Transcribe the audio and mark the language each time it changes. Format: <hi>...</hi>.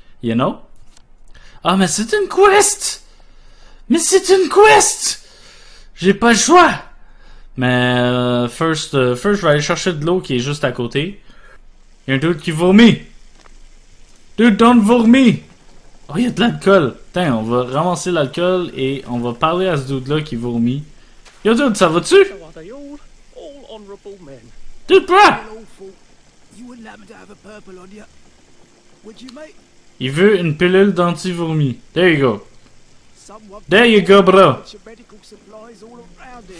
<en>You know?</en> <fr>Ah, mais c'est une quest! Mais c'est une quest! J'ai pas le choix! Mais first, je vais aller chercher de l'eau qui est juste à côté. Il y a un dude qui vomit!</fr> <en>Dude, don't vomit!</en> <fr>Oh, il y a de l'alcool! Tiens, on va ramasser l'alcool et on va parler à ce dude-là qui vomit. Yo, dude, ça va-tu?</fr> <en>So are they all honorable men? Dude, bruh! Well, awful. You wouldn't happen to have a purple on you, would you, mate?</en> <fr>Il veut une pilule d'anti-vomi.</fr> <en>There you go. Some of There you go, them bro. have medical supplies all around here.</en>